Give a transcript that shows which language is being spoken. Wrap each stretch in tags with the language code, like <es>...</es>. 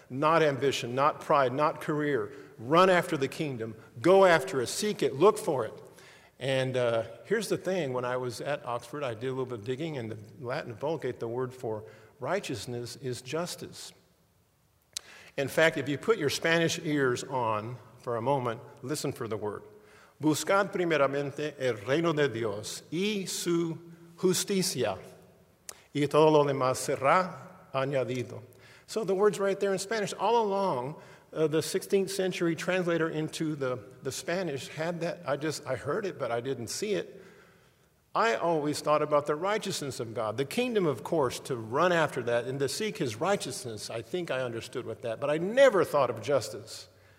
<en>Not ambition, not pride, not career. Run after the kingdom. Go after it. Seek it. Look for it. And here's the thing. When I was at Oxford, I did a little bit of digging, and the Latin Vulgate, the word for righteousness is justice. In fact, if you put your Spanish ears on for a moment, listen for the word.</en> <es>Buscad primeramente el reino de Dios y su justicia, y todo lo demás será añadido.</es> <en>So the word's right there in Spanish. All along, the 16th century translator into the Spanish had that. I heard it, but I didn't see it. I always thought about the righteousness of God, the kingdom, of course, to run after that and to seek his righteousness. I think I understood with that, but I never thought of justice.</en>